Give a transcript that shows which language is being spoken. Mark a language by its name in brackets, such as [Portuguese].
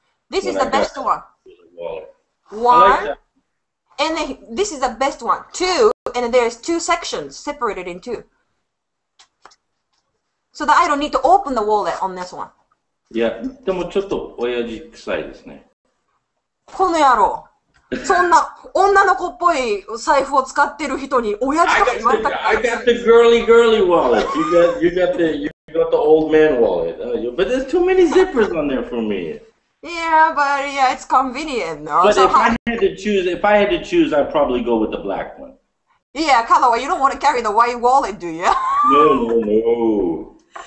[English] This is the best one. One. Like and then, this is the best one. 2, and there's 2 sections separated in 2. So that I don't need to open the wallet on this one. Yeah, but it's a little [Japanese] bit そんな女の子っぽい財布を使ってる人に親父とか言われたくない。 [English] I got the girly wallet. You got the old man wallet. But there's too many zippers on there for me. Yeah, it's convenient. No? But so if I had to choose, I'd probably go with the black one. Yeah, Kalawa, you don't want to carry the white wallet, do you? No.